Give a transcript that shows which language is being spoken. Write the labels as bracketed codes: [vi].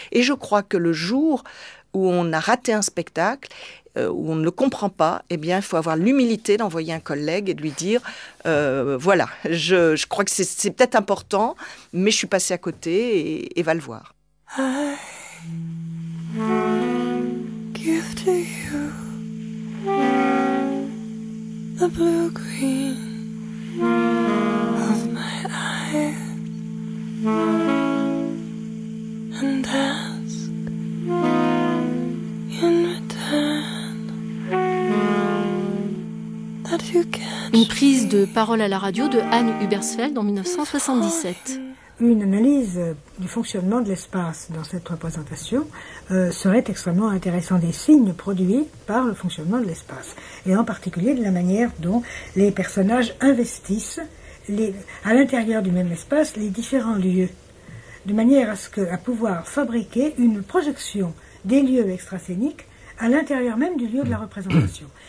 [fr] Et je crois que le jour où on a raté un spectacle, où on ne le comprend pas, eh bien, il faut avoir l'humilité d'envoyer un collègue et de lui dire, voilà, je crois que c'est peut-être important, mais je suis passée à côté et va le voir. [en] I give to you the blue green of my eyes. And ask in return that you catch. [fr] Une prise de parole à la radio de Anne Hubersfeld en 1977. Une analyse du fonctionnement de l'espace dans cette représentation serait extrêmement intéressante, des signes produits par le fonctionnement de l'espace, et en particulier de la manière dont les personnages investissent à l'intérieur du même espace, les différents lieux, de manière à pouvoir fabriquer une projection des lieux extrascéniques à l'intérieur même du lieu de la représentation.